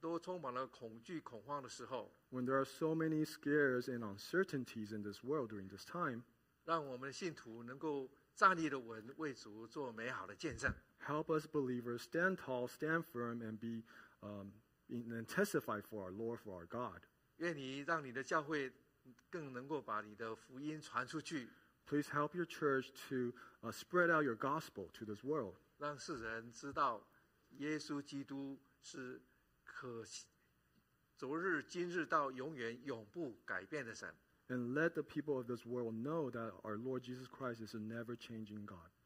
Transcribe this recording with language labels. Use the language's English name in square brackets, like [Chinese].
[Chinese] 在世人对这些不确定的这个世界很多充满了恐惧恐慌的时候。 [English] When there are so many scares and uncertainties in this world during this time. [Chinese] 让我们的信徒能够 站立的稳，为主做美好的见证。 [English] Help us believers stand tall, stand firm, and be and testify for our Lord, for our God. [Chinese] 愿你让你的教会更能够把你的福音传出去。 [English] Please help your church to spread out your gospel to this world. [Chinese] 让世人知道耶稣基督是昨日、今日到永远永不改变的神。 [English] And let the people of this world know that our Lord Jesus Christ is a never-changing God.